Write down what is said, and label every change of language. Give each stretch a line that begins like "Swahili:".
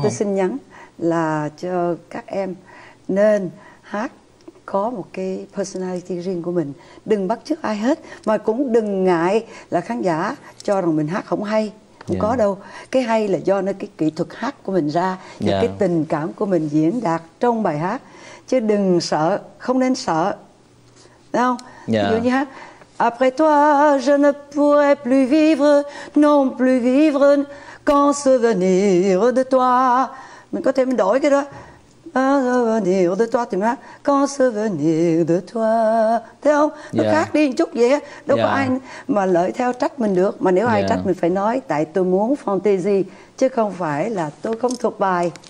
Vietnamese: Tôi xin nhắn là cho các em nên hát có một cái personality riêng của mình. Đừng bắt chước ai hết. Mà cũng đừng ngại là khán giả cho rằng mình hát không hay. Không có đâu. Cái hay là do nó cái kỹ thuật hát của mình ra. Và cái tình cảm của mình diễn đạt trong bài hát. Chứ đừng sợ. Không nên sợ. Đâu? Ví dụ như hát
French: Après toi je ne pourrais plus vivre. Non plus vivre. Qu'en souvenir de toi.
Vietnamese: Mình có thể mình đổi cái đó.
French: Souvenir de toi,
Vietnamese: tìm hát. Con
French: souvenir de toi.
Vietnamese: Thấy không? Nó khác đi một chút vậy. Đâu có ai mà lợi theo trách mình được. Mà nếu ai trách mình phải nói tại tôi muốn fantasy chứ không phải là tôi không thuộc bài.